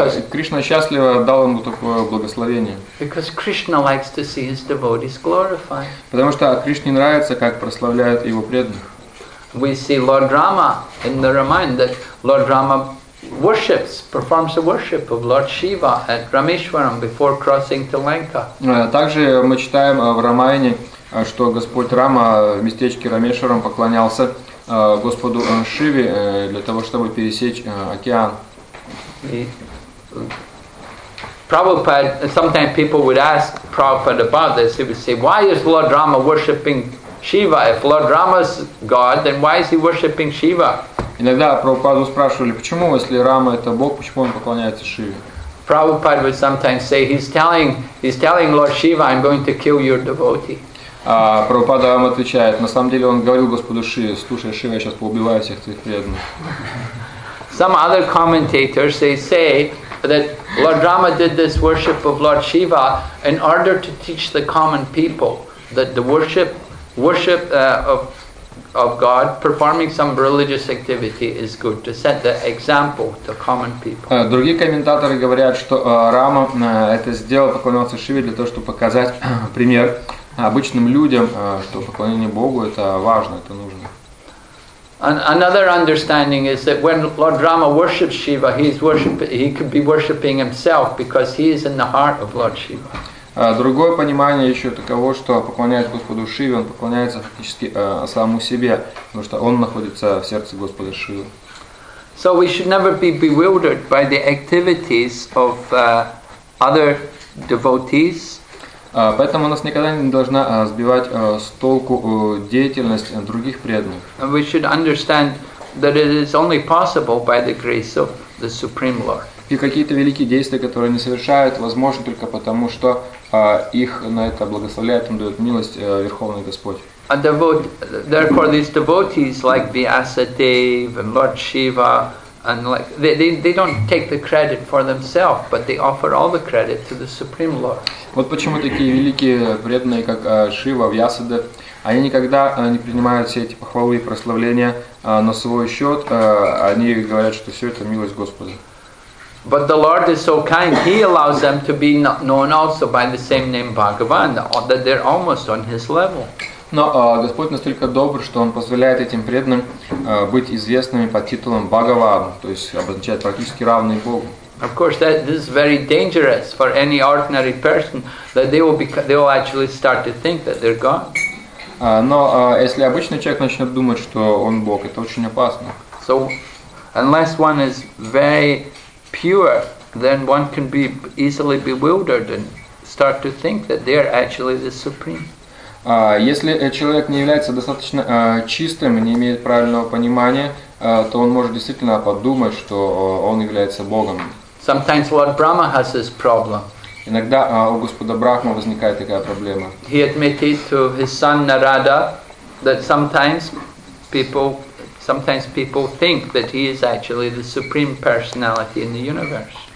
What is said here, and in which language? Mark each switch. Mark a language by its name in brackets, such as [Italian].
[Russian] Кришна счастливо дал ему такое благословение. [English] Because Krishna likes to see his devotees glorified. [Russian] Потому что Кришне нравится, как прославляют его преданных. [English] We see Lord Rama in the Ramayana, that Lord Rama worships, performs the worship of Lord Shiva at Rameshwaram before crossing to Lanka. [Russian] Также мы читаем в Рамаяне, что Господь Рама в местечке Рамешварам поклонялся Господу Шиве для того, чтобы пересечь океан. [English] Prabhupada, sometimes people would ask Prabhupada about this. He would say, why is Lord Rama worshipping Shiva? If Lord Rama is God, then why is he worshipping Shiva? [Russian] Иногда Прабхупаду спрашивали, почему, если Рама это Бог, почему он поклоняется Шиве? [English] Prabhupada would sometimes say, he's telling Lord Shiva, I'm going to kill your devotee. [Russian] Прабхупада вам отвечает, на самом деле он говорил Господу Шиве, слушай, Шива, я сейчас поубиваю всех твоих преданных. [English] Some other commentators, they say that Lord Rama did this worship of Lord Shiva in order to teach the common people that the worship of God, performing some religious activity is good, to set the example to common people. [Russian] Другие комментаторы говорят, что Рама это сделал, поклонился Шиве для того, чтобы показать пример обычным людям, что поклонение Богу это важно, это нужно. [English] Another understanding is that when Lord Rama worships Shiva, he could be worshipping himself because he is in the heart of Lord Shiva. [Russian] Другое понимание еще таково, что поклоняясь Господу Шиве, он поклоняется фактически самому себе, потому что он находится в сердце Господа Шивы. [English] So we should never be bewildered by the activities of other devotees. [Russian] Поэтому нас никогда не должна сбивать с толку деятельность других преданных. [English] And we should understand that it is only possible by the grace of the Supreme Lord. [Russian] И какие-то великие действия, которые они совершают, возможны только потому, что их на это благословляет, им дает милость Верховный Господь. [English] Therefore, these devotees like Vyasadeva and Lord Shiva, and like they don't take the credit for themselves, but they offer all the credit to the Supreme Lord. [Russian] Вот почему такие великие преданные, как Шива, Вьясада, они никогда не принимают все эти похвалы и прославления на свой счет, они говорят, что все это милость Господа. [English] But the Lord is so kind, he allows them to be known also by the same name Bhagavan, that they're almost on his level. [Russian] Но Господь настолько добр, что Он позволяет этим преданным быть известными под титулом Бхагаван, то есть обозначает практически равный Богу. [English] Of course, that this is very dangerous for any ordinary person, that they will actually start to think that they're God. [Russian] Если обычный человек начнет думать, что он Бог, это очень опасно. [English] So, unless one is very pure, then one can be easily bewildered and start to think that they are actually the Supreme. [Russian] Если человек не является достаточно чистым и не имеет правильного понимания, то он может действительно подумать, что он является Богом. [English] Sometimes Lord Brahma has this problem. [Russian] Иногда у Господа Брахмы возникает такая проблема. [English] He admitted to his son Narada that sometimes people think that he is actually the supreme personality in the universe.